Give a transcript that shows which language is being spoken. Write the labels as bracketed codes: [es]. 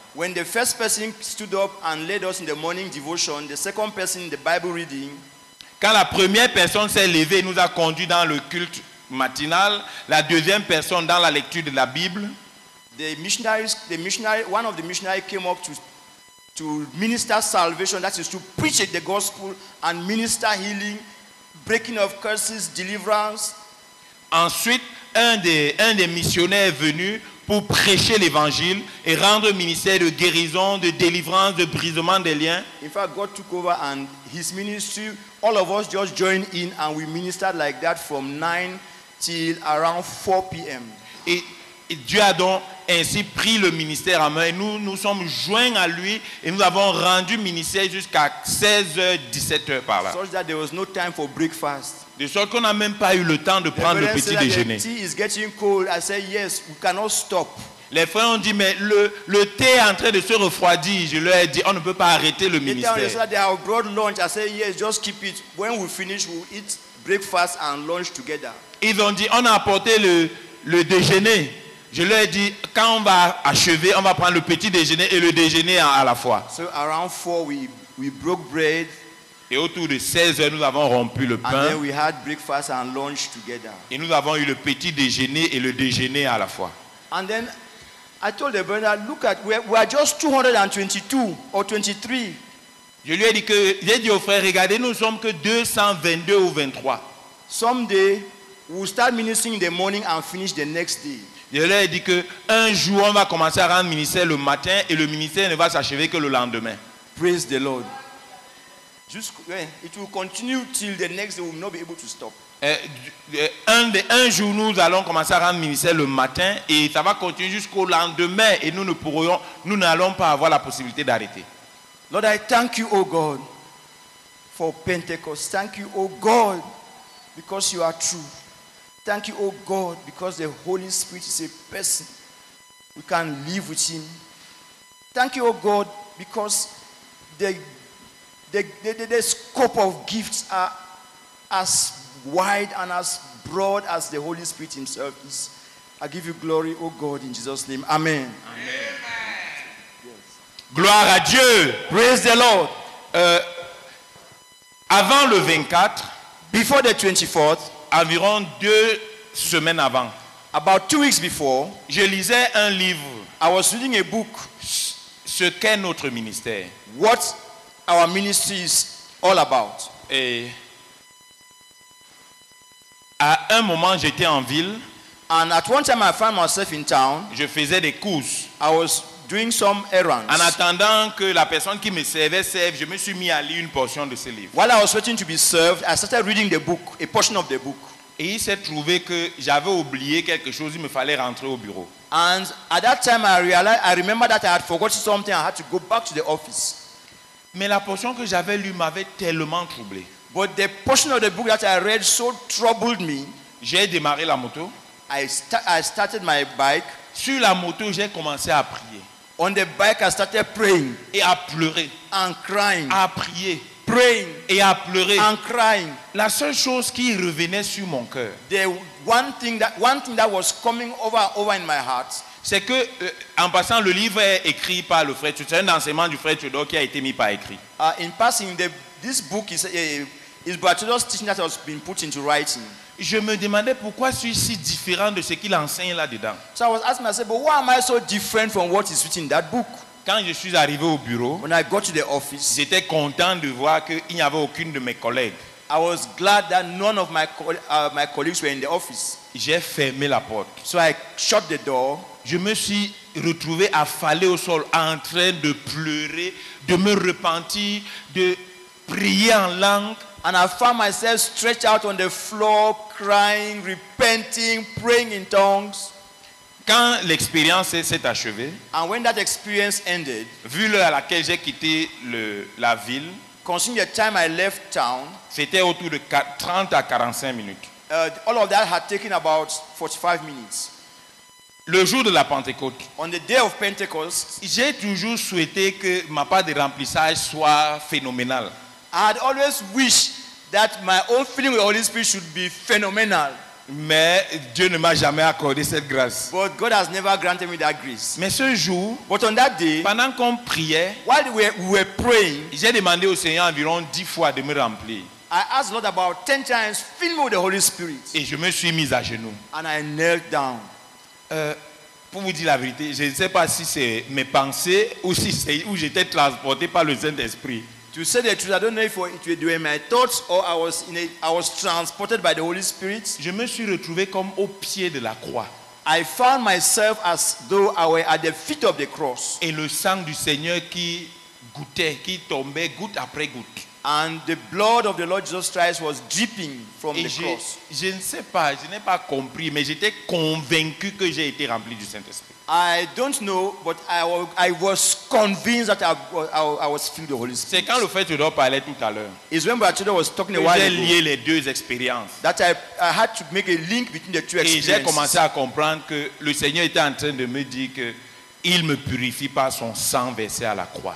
[en] When the first person stood up and led us in the morning devotion, the second person in the Bible reading. [fr] Quand la première personne s'est levée et nous a conduit dans le culte matinal, la deuxième personne dans la lecture de la Bible. [en] One of the missionaries came up to minister salvation, that is to preach the gospel and minister healing, breaking of curses, deliverance. [fr] Ensuite, un des missionnaires est venu pour prêcher l'évangile et rendre ministère de guérison, de délivrance, de brisement des liens. [en] In fact, God took over and his ministry, all of us just joined in and we ministered like that from 9 till around 4 p.m. [fr] Et, Dieu a donc ainsi pris le ministère en main. Et nous nous sommes joints à lui et nous avons rendu ministère jusqu'à 16h, 17h par là. [en] So that there was no time for breakfast. [fr] De sorte qu'on n'a même pas eu le temps de prendre le petit déjeuner. [en] The tea is getting cold. I said, yes, we cannot stop. [fr] Les frères ont dit, mais le thé est en train de se refroidir. Je leur ai dit, on ne peut pas arrêter le ministère. Ils ont dit, on a apporté le déjeuner. Je leur ai dit, quand on va achever, on va prendre le petit déjeuner et le déjeuner à la fois. [en] So around four, we broke bread. [fr] Et autour de 16h, nous avons rompu le pain. [en] And then we had breakfast and lunch together. [fr] Et nous avons eu le petit déjeuner et le déjeuner à la fois. [en] And then I told the brother, look at, we are just 222 or 23. [fr] Je lui ai dit que, j'ai dit au frère, regardez, nous sommes que 222 ou 23. [en] Someday, we'll start ministering in the morning and finish the next day. [fr] Je lui ai dit que, un jour, on va commencer à rendre ministère le matin et le ministère ne va s'achever que le lendemain. [en] Praise the Lord. It will continue till the next day, we will not be able to stop. [fr] Un jour, nous allons commencer à rendre ministère le matin et ça va continuer jusqu'au lendemain et nous n'allons pas avoir la possibilité d'arrêter. [en] Lord, I thank you, oh God, for Pentecost. Thank you, oh God, because you are true. Thank you, oh God, because the Holy Spirit is a person. We can live with him. Thank you, oh God, because the scope of gifts are as wide and as broad as the Holy Spirit himself is. I give you glory, oh God, in Jesus' name. Amen. [fr] Amen. Gloire à Dieu. [en] Praise the Lord. [fr] Avant le 24, [en] before the 24th, [fr] environ deux semaines avant, [en] about 2 weeks before, [fr] je lisais un livre. [en] I was reading a book. [fr] Ce qu'est notre ministère. [en] What our ministry is all about. [fr] Et à un moment, j'étais en ville. [en] And at one time, I found myself in town. [fr] Je faisais des courses. [en] I was doing some errands. [fr] En attendant que la personne qui me servait serve, je me suis mis à lire une portion de ce livre. [en] While I was waiting to be served, I started reading the book, a portion of the book. [fr] Et il s'est trouvé que j'avais oublié quelque chose, il me fallait rentrer au bureau. [en] And at that time, I remembered that I had forgotten something, I had to go back to the office. [fr] Mais la portion que j'avais lue m'avait tellement troublé. [en] But the portion of the book that I read so troubled me. [fr] J'ai démarré la moto. [en] I started my bike. [fr] Sur la moto, j'ai commencé à prier. [en] On the bike, I started praying. [fr] Et à pleurer. [en] And crying. [fr] À prier. [en] Praying. [fr] Et à pleurer. [en] And crying. [fr] La seule chose qui revenait sur mon cœur. [en] The one thing that was coming over in my heart. [fr] C'est que, en passant, le livre est écrit par le frère. C'est un enseignement du frère Tudor qui a été mis par écrit. [en] In passing, this book is by Tudor's teaching that has been put into writing. [fr] Je me demandais pourquoi suis-je si différent de ce qu'il enseigne là-dedans. [en] So I was asking myself, but why am I so different from what is written in that book? [fr] Quand je suis arrivé au bureau, [en] when I got to the office, [fr] j'étais content de voir qu'il n'y avait aucune de mes collègues. [en] I was glad that none of my colleagues were in the office. [fr] J'ai fermé la porte. [en] So I shut the door. [fr] Je me suis retrouvé affalé au sol, en train de pleurer, de me repentir, de prier en langue. [en] And I found myself stretched out on the floor, crying, repenting, praying in tongues. [fr] Quand l'expérience s'est achevée, [en] and when that experience ended, [fr] vu l'heure à laquelle j'ai quitté la ville, [en] considering the time I left town, [fr] c'était autour de 30 à 45 minutes. [en] All of that had taken about 45 minutes. [fr] Le jour de la Pentecôte. [en] On the day of Pentecost, [fr] j'ai toujours souhaité que ma part de remplissage soit phénoménale. [en] I had always wished that my own filling with the Holy Spirit should be phenomenal. [fr] Mais Dieu ne m'a jamais accordé cette grâce. [en] But God has never granted me that grace. [fr] Mais ce jour, [en] but on that day, [fr] pendant qu'on priait, [en] while we were praying, [fr] j'ai demandé au Seigneur environ 10 fois de me remplir. [en] I asked the Lord about 10 times, fill me with the Holy Spirit. [fr] Et je me suis mis à genoux. [en] And I knelt down. [fr] Pour vous dire la vérité, je ne sais pas si c'est mes pensées ou si c'est où j'étais transporté par le Saint-Esprit. [en] To say the truth, I don't know if it was doing my thoughts or I was transported by the Holy Spirit. [fr] Je me suis retrouvé comme au pied de la croix. [en] I found myself as though I were at the feet of the cross. [fr] Et le sang du Seigneur qui goûtait, qui tombait goutte après goutte. [en] And the blood of the Lord Jesus Christ was dripping from [fr] et [en] the [fr] je, [en] cross. [fr] Je ne sais pas, je n'ai pas compris, mais j'étais convaincu que j'ai été rempli du Saint-Esprit. [en] I don't know, but I was convinced that I was filled with the Holy Spirit. [fr] C'est quand le frère Tudor parlait tout à l'heure. [en] It's when Brother Tudor was talking a while ago. [fr] J'ai lié les deux expériences. [en] That I had to make a link between the two [fr] et [en] experiences. [fr] Et j'ai commencé à comprendre que le Seigneur était en train de me dire que il me purifie par son sang versé à la croix.